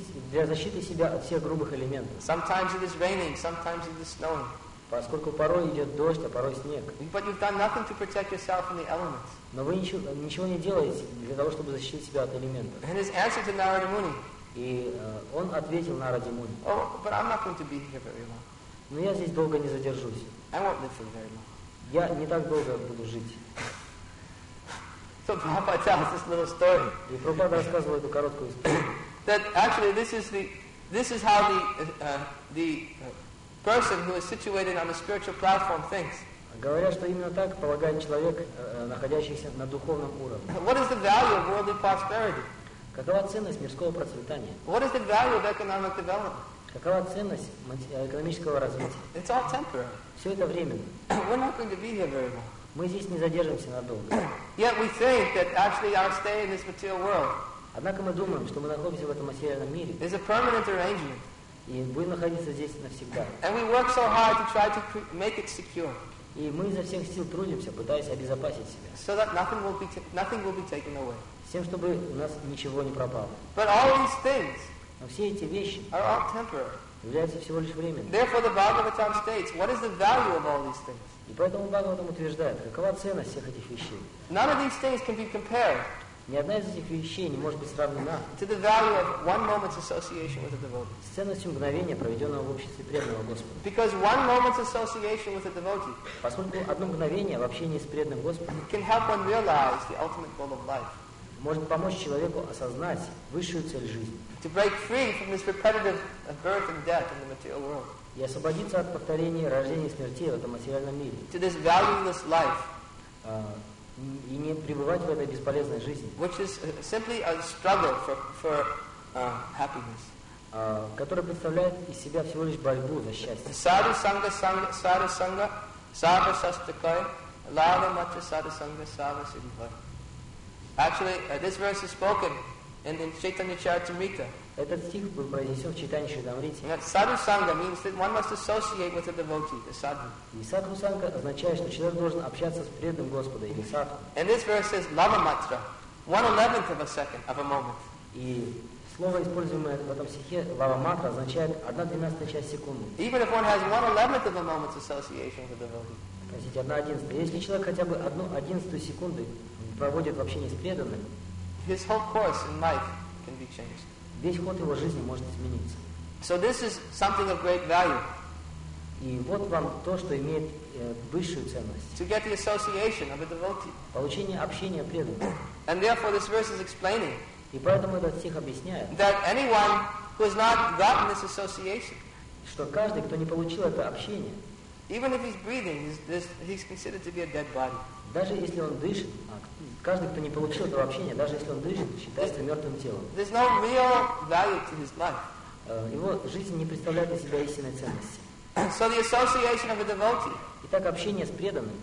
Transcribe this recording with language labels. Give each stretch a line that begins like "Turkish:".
Russian: Для защиты себя от всех грубых элементов.
English: Sometimes it is raining, sometimes it is snowing.
Russian: Поскольку порой идет дождь, а порой снег.
English: But you've done nothing to protect yourself from the elements.
Russian: Но вы ничего не делаете для того, чтобы защитить себя от элементов.
English: And his answer to Narada Muni.
Russian: И он ответил Нараде Муни.
English: Oh, but I'm not going to be here very long.
Russian: Но я здесь долго не задержусь.
English: I won't live here very long.
Russian: Я не так долго буду жить.
English: So Prabhupada tells this little story.
Russian: И Прабхупада рассказывал эту короткую историю.
English: That actually this is how the person who is situated on a spiritual platform thinks.
Russian: Говорят, что именно так полагает человек, находящийся на духовном уровне.
English: What is the value of worldly prosperity?
Russian: Какова ценность мирского процветания?
English: What is the value of economic development?
Russian: Какова ценность экономического развития?
English: It's all temporary.
Russian: Все это временно.
English: We're not going to be here very long.
Russian: Мы здесь не задержимся надолго.
English: Yet we think that actually our stay in this material world.
Russian: Однако мы думаем, что мы находимся в этом материальном мире.
English: Is a permanent arrangement.
Russian: И будем находиться здесь навсегда.
English: And we work so hard to try to make it secure.
Russian: И мы изо всех сил трудимся, пытаясь обезопасить себя.
English: So that nothing will be taken away.
Russian: С тем, чтобы у нас ничего не пропало.
English: But all these things.
Russian: Но все эти вещи.
English: Are all temporary.
Russian: Являются всего лишь временными.
English: Therefore, the Bhagavatam states, what is the value of all these things?
Russian: И поэтому Бхагаватам утверждает, какова ценность всех этих вещей?
English: None of these things can be compared.
Russian: Ни одна из этих вещей не может быть сравнена.
English: To the value of one moment's association with a devotee.
Russian: С ценностью мгновения, проведенного в обществе преданного Господа.
English: Because one moment's association with a devotee.
Russian: Поскольку одно мгновение в общении с преданным Господом.
English: Can help one realize the ultimate goal of life.
Russian: Может помочь человеку осознать высшую цель жизни.
English: To break free from this repetitive birth and death in the material world.
Russian: И освободиться от повторения рождения и смерти в этом материальном мире.
English: To this valueless life.
Russian: И не пребывать в этой бесполезной жизни.
English: Which is simply a struggle for happiness.
Russian: Которая представляет из себя всего лишь борьбу за счастье.
Sanskrit: Sadhu sangha sadhu sangha sadhu sastakai lava matra sadhu sangha sadhu siddhivai.
English: Actually, this verse is spoken in Chaitanya Charitamrita.
Russian: Этот стих был произнесен в Чайтанья Чаритамрите.
English: Sadhu sangha means that one must associate with a devotee, the sadhu.
Russian: И sadhu sangha означает, что человек должен общаться с преданным Господом, или sadhu.
English: And this verse says lava matra, 1/11 of a second, of a moment.
Russian: И слово, используемое в этом стихе lava matra, означает 1/12 часть секунды.
English: Even if one has 1/11 of a moment's association with a devotee.
Russian: Простите, 1/11. Если человек хотя бы 1/11 секунды проводит в общении с преданным,
English: his whole course in life can be changed.
Russian: Весь ход его жизни может измениться.
English: So this is something of great value.
Russian: И вот вам то, что имеет высшую ценность.
English: To get the association of a devotee.
Russian: Получение общения преданного.
English: And therefore this verse is explaining.
Russian: И поэтому этот стих объясняет,
English: that anyone who has not gotten this association,
Russian: что каждый, кто не получил это общение,
English: even if he's breathing, he's considered to be a dead body.
Russian: Даже если он дышит, каждый, кто не получил этого общения, даже если он дышит, считается мертвым телом.
English: There's no real value to his life.
Russian: Его жизнь не представляет из себя истинной ценности.
English: So the association of a devotee,
Russian: итак, общение с преданным,